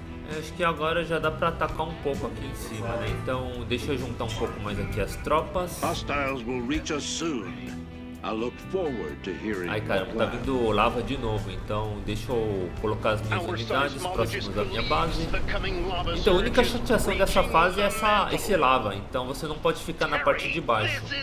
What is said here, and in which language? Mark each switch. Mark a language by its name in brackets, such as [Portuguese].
[Portuguese] Eu acho que agora já dá para atacar um pouco aqui em cima, né? Então, deixa eu juntar um pouco mais aqui as tropas. [English] Hostiles will reach us soon. I look forward to hearing [Portuguese] Ai, caramba, tá vindo lava de novo. Então, deixa eu colocar as minhas unidades próximas da minha base. Então, a única chateação dessa fase é esse lava. Então, você não pode ficar na parte de baixo.